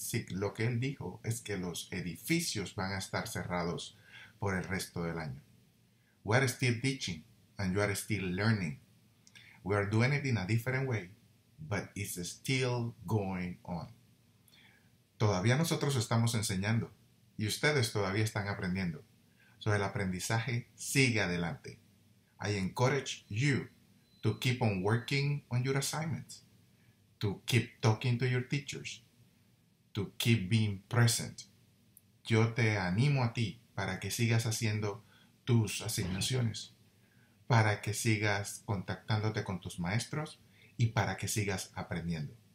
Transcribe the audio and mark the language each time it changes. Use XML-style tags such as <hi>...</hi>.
<es>Lo que él dijo es que los edificios van a estar cerrados por el resto del año.</es> <en>We are still teaching and you are still learning. We are doing it in a different way, but it's still going on.</en> <es>Todavía nosotros estamos enseñando y ustedes todavía están aprendiendo. So el aprendizaje sigue adelante.</es> <en>I encourage you to keep on working on your assignments, to keep talking to your teachers, to keep being present.</en> <es>Yo te animo a ti para que sigas haciendo tus asignaciones, para que sigas contactándote con tus maestros y para que sigas aprendiendo.</es>